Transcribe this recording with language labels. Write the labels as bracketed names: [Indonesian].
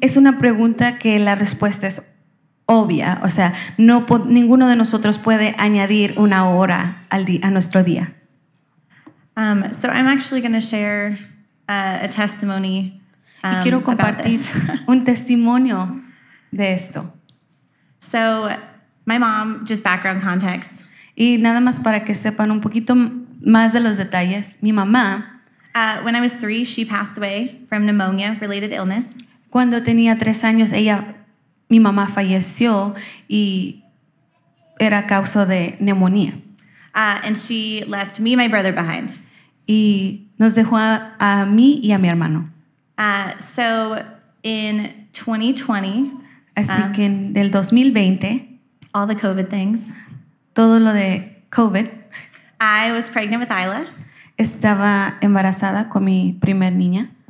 [Spanish] Es una pregunta que la respuesta es obvia. O sea, ninguno de nosotros puede añadir una hora a nuestro día. [English] So I'm actually going to share a testimony [Spanish] y quiero compartir [English] about this. [Spanish] Un testimonio de esto. [English] So my mom, just background context. [Spanish] Y nada más para que sepan un poquito más de los detalles. Mi mamá. [English] When I was 3, she passed away from pneumonia-related illness. [Spanish] Cuando tenía 3 años, mi mamá falleció y era causa de neumonía. [English] And she left me and my brother behind. [Spanish] Y nos dejó a mí y a mi hermano. [English] So in 2020, [Spanish] así que en el 2020, [English] all the COVID things, [Spanish] todo lo de COVID, [English] I was pregnant with Isla. [Spanish] Estaba embarazada con mi primer niña.